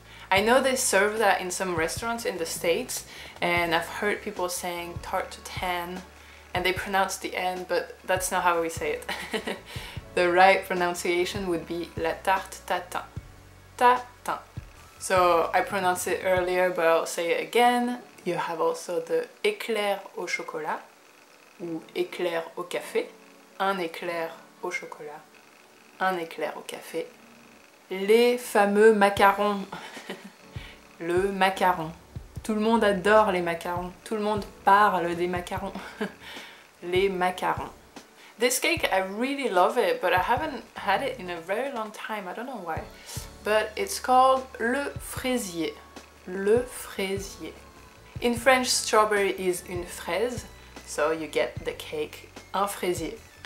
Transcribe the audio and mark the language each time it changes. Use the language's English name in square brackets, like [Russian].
[English] I know they serve that in some restaurants in the States, and I've heard people saying tarte tatin, and they pronounce the N, but that's not how we say it. The right pronunciation would be la tarte tatin. Tatin. So I pronounced it earlier, but I'll say it again. You have also the [French] éclair au chocolat, ou éclair au café, un éclair au chocolat, un éclair au café. Les fameux macarons. Le macaron. Tout le monde adore les macarons. Tout le monde parle des macarons. Les macarons. [English] This cake, I really love it, but I haven't had it in a very long time. I don't know why. But it's called le fraisier. Le fraisier. In French, strawberry is une fraise, so you get the cake un fraisier.